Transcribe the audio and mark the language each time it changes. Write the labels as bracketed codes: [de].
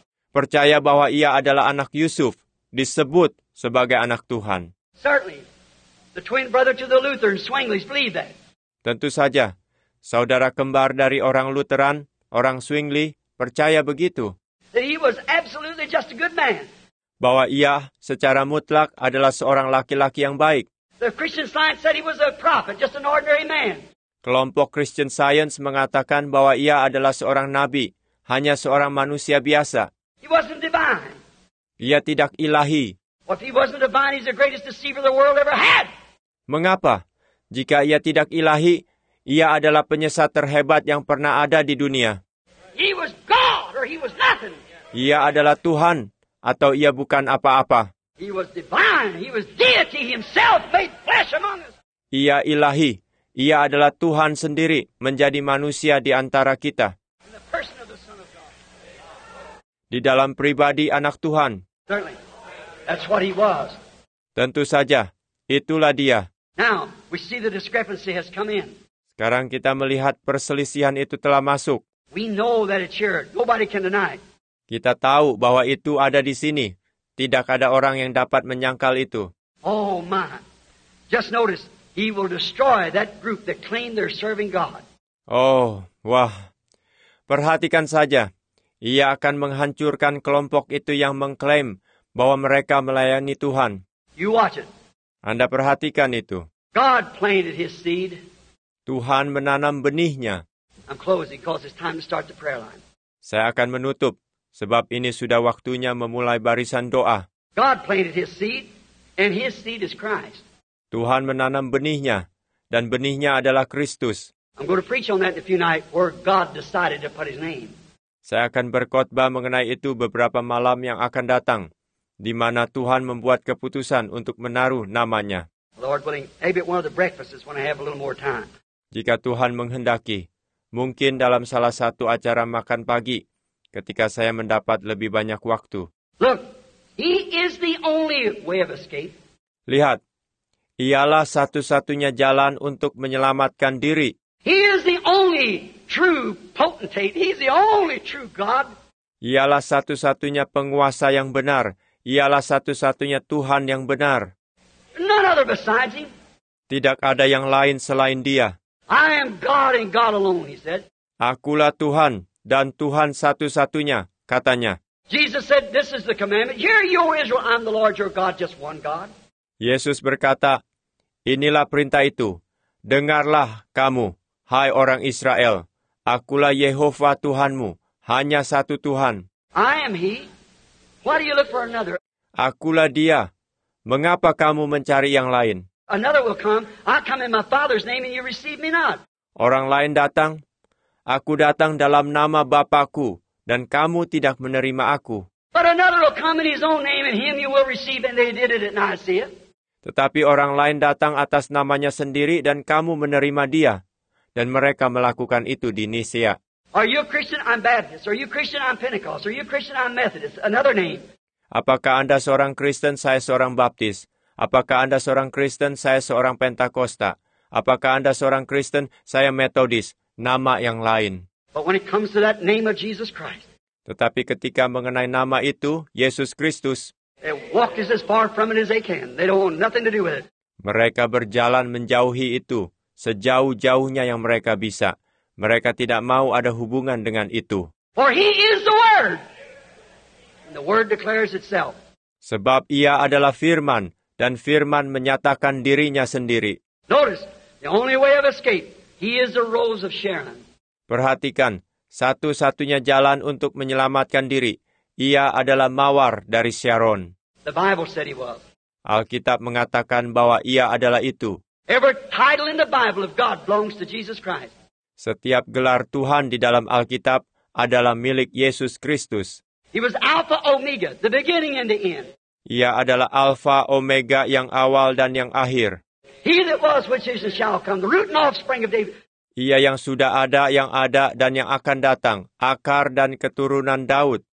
[id] Percaya bahwa ia adalah anak Yusuf, disebut sebagai anak Tuhan. [en] Certainly. The twin brother to the Lutheran Zwingli's believe that. [id] Tentu saja, saudara kembar dari orang Lutheran, orang Zwingli, percaya begitu. [en] That he was absolutely just a good man. [id] Bahwa ia secara mutlak adalah seorang laki-laki yang baik. [en] The Christian Science said he was a prophet, just an ordinary man. [id] Kelompok Christian Science mengatakan bahwa ia adalah seorang nabi, hanya seorang manusia biasa. [en] He wasn't divine. [id] Ia tidak ilahi. [en] If he wasn't divine, he's the greatest deceiver the world ever had. [id] Mengapa? Jika ia tidak ilahi, ia adalah penyesat terhebat yang pernah ada di dunia. [en] He was God or he was nothing. [id] Ia adalah Tuhan atau ia bukan apa-apa. [en] He was divine. He was deity himself made flesh among us. [id] Ia ilahi. Ia adalah Tuhan sendiri menjadi manusia di antara kita. [en] In the person of the Son of God. [id] Di dalam pribadi anak Tuhan. [en] Certainly. That's what he was. [id] Tentu saja, itulah dia. [en] Now, we see the discrepancy has come in. [id] Sekarang kita melihat perselisihan itu telah masuk. [en] We know that it's here. Nobody can deny it. [id] Kita tahu bahwa itu ada di sini. Tidak ada orang yang dapat menyangkal itu. [en] Oh my. Just notice, he will destroy that group that claim they're serving God. [id] Oh, wah. Perhatikan saja. Ia akan menghancurkan kelompok itu yang mengklaim bahwa mereka melayani Tuhan. [en] You watch it. [id] Anda perhatikan itu. [en] God planted his seed. [id] Tuhan menanam benihnya. [en] I'm closing because it's time to start the prayer line. [id] Saya akan menutup sebab ini sudah waktunya memulai barisan doa. [en] God planted his seed and his seed is Christ. [id] Tuhan menanam benihnya dan benihnya adalah Kristus. [en] I'm going to preach on that in a few nights where God decided to put his name. [id] Saya akan berkhotbah mengenai itu beberapa malam yang akan datang. Di mana Tuhan membuat keputusan untuk menaruh namanya. [en] Lord willing, maybe one of the breakfasts when I have a little more time. [id] Jika Tuhan menghendaki, mungkin dalam salah satu acara makan pagi, ketika saya mendapat lebih banyak waktu. [en] Look, he is the only way of escape. [id] Lihat, ialah satu-satunya jalan untuk menyelamatkan diri. [en] He is the only true potentate. He is the only true God. [id] Ialah satu-satunya penguasa yang benar. Ialah satu-satunya Tuhan yang benar. [en] None other besides him. [id] Tidak ada yang lain selain dia. [en] I am God and God alone, he said. [id] Akulah Tuhan dan Tuhan satu-satunya, katanya. [en] Jesus said, this is the commandment. Hear, you, Israel, I'm the Lord your God, just one God. [id] Yesus berkata, inilah perintah itu. Dengarlah kamu, hai orang Israel. Akulah Yehovah Tuhanmu, Hanya satu Tuhan. [en] I am He. Why do you look for another? [id] Akulah Dia. Mengapa kamu mencari yang lain? [en] Another will come. I come in my Father's name and you receive me not. [id] Orang lain datang. Aku datang dalam nama Bapa-Ku dan kamu tidak menerima aku. [en] But another will come in his own name and him you will receive and they did it at Nicaea. [id] Tetapi orang lain datang atas namanya sendiri dan kamu menerima dia. Dan mereka melakukan itu di Nicaea. [en] Are you a Christian? I'm Baptist. Are you a Christian? I'm Pentecost. Are you a Christian? I'm Methodist. Another name. [id] Apakah Anda seorang Kristen? Saya seorang Baptis. Apakah Anda seorang Kristen? Saya seorang Pentakosta. Apakah Anda seorang Kristen? Saya Methodist. Nama yang lain. [en] But when it comes to that name of Jesus Christ. [id] Tetapi ketika mengenai nama itu, Yesus Kristus. [en] They walk as far from it as they can. They don't want nothing to do with it. [id] Mereka berjalan menjauhi itu sejauh-jauhnya yang mereka bisa. Mereka tidak mau ada hubungan dengan itu. [en] For he is the word. And the word declares itself. [id] Sebab ia adalah firman dan firman menyatakan dirinya sendiri. [en] Notice, the only way of escape, he is the rose of Sharon. [id] Perhatikan, satu-satunya jalan untuk menyelamatkan diri, ia adalah mawar dari Sharon. [en] The Bible said he was. [id] Alkitab mengatakan bahwa ia adalah itu. [en] Every title in the Bible of God belongs to Jesus Christ. [id] Setiap gelar Tuhan di dalam Alkitab adalah milik Yesus Kristus. [en] He was Alpha Omega, the beginning and the end. [id] Ia adalah Alpha Omega yang awal dan yang akhir. [en] He that was, which is, and shall come, the root and offspring of David. [id] Ia yang sudah ada, yang ada, dan yang akan datang, akar dan keturunan Daud.